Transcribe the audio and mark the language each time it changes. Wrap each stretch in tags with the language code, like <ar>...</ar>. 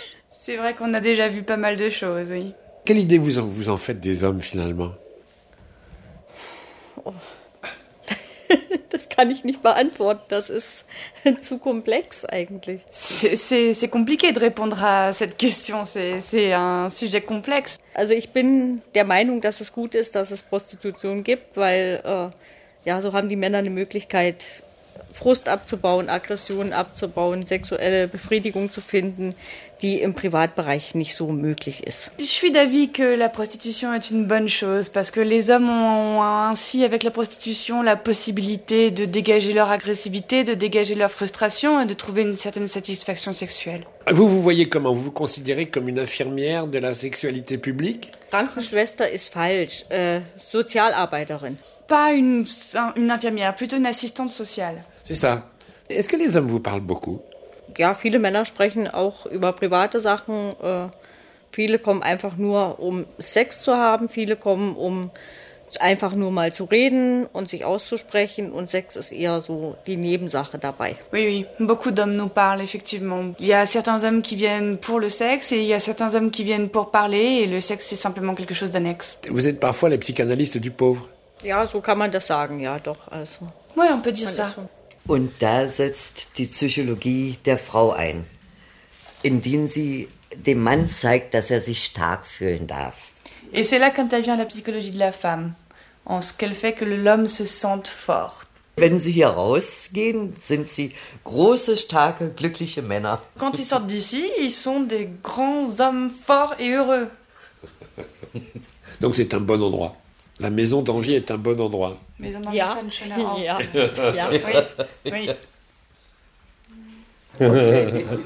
<fr>C'est vrai qu'on a déjà vu pas mal de choses, oui. Quelle idée vous en faites des hommes finalement ? Oh.</fr> <de>Das kann ich nicht beantworten, das ist zu komplex eigentlich.</de> <fr>C'est compliqué de répondre à cette question, c'est un sujet complexe.</fr> <de>Also ich bin der Meinung, dass es gut ist, dass es Prostitution gibt, weil so haben die Männer eine Möglichkeit, Frust abzubauen, Aggressionen abzubauen, sexuelle Befriedigung zu finden, die im Privatbereich nicht so möglich ist. Ich bin</de> <fr>d'avis que la prostitution est une bonne chose parce que les hommes ont ainsi avec la prostitution la possibilité de dégager leur agressivité, de dégager leur frustration et de trouver une certaine satisfaction sexuelle. Vous vous voyez comment ? Vous vous considérez comme une infirmière de la sexualité publique ?</fr> <de>Krankenschwester ist falsch, Sozialarbeiterin.</de> <fr>Pas une infirmière, plutôt une assistante sociale. C'est ça. Est-ce que les hommes vous parlent beaucoup ?</fr> <de>Ja, viele Männer sprechen auch über private Sachen. Viele kommen einfach nur, um Sex zu haben. Viele kommen, um einfach nur mal zu reden und sich auszusprechen. Und Sex ist eher so die Nebensache dabei.</de> <fr>Oui, oui. Beaucoup d'hommes nous parlent, effectivement. Il y a certains hommes qui viennent pour le sexe et il y a certains hommes qui viennent pour parler. Et le sexe, c'est simplement quelque chose d'annexe. Vous êtes parfois les psychanalystes du pauvre.</fr> <de>Ja, so kann man das sagen, ja doch. Also,</de> <fr>oui, on peut dire ça.</fr> <de>Und da setzt die Psychologie der Frau ein, indem sie dem Mann zeigt, dass er sich stark fühlen darf.</de> <fr>Et c'est là qu'intervient la psychologie de la femme, en ce qu'elle fait que l'homme se sente fort.</fr> <de>Wenn sie hier rausgehen, sind sie große, starke, glückliche Männer.</de> <fr>Quand ils sortent d'ici, ils sont des grands hommes forts et heureux. Donc c'est un bon endroit. La maison d'envie est un bon endroit. Maison d'envie, c'est une chaleur. Oui. Okay.</fr>